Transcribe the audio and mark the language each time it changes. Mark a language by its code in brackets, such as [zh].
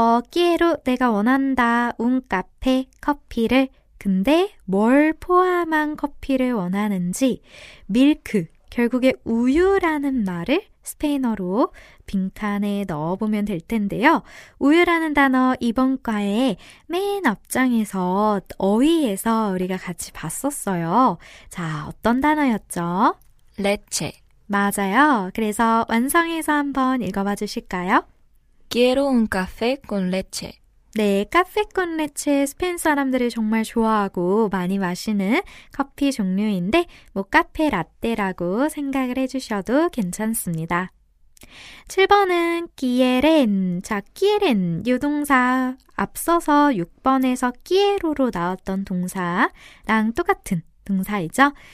[es] quiero [ko] 내가 원한다 [es] un café [ko] 커피를 근데 뭘 포함한 커피를 원하는지 밀크 결국에 우유라는 말을 스페인어로 빈칸에 넣어보면 될 텐데요. 우유라는 단어 이번 과에 맨 앞장에서 어휘에서 우리가 같이 봤었어요. 자, 어떤 단어였죠? 레체. 맞아요. 그래서 완성해서 한번 읽어봐 주실까요? [es] Quiero un café con leche. [ko] 네, 카페 콘 레체 스페인 사람들이 정말 좋아하고 많이 마시는 커피 종류인데, 뭐, 카페 라떼라고 생각을 해주셔도 괜찮습니다. 7번은 끼에렌. 자, 끼에렌. 요 동사 앞서서 6번에서 끼에로로 나왔던 동사랑 똑같은 동사이죠.